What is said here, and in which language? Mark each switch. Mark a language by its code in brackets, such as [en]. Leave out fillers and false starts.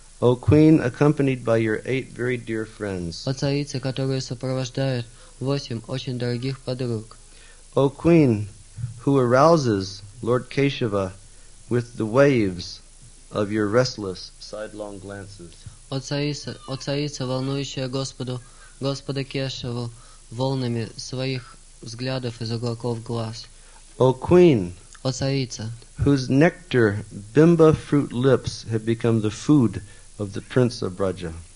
[en] O queen, accompanied by your eight very dear friends. [ru] О царица, которую сопровождают восемь очень дорогих подруг. [en] O queen, who arouses Lord Keshava with the waves of your restless sidelong glances. [ru] О царица, волнующая Господа Кешеву волнами своих взглядов из уголков глаз. [en] O queen, [ru] о царица, [en] whose nectar bimba fruit lips have become the food of the prince of Braja.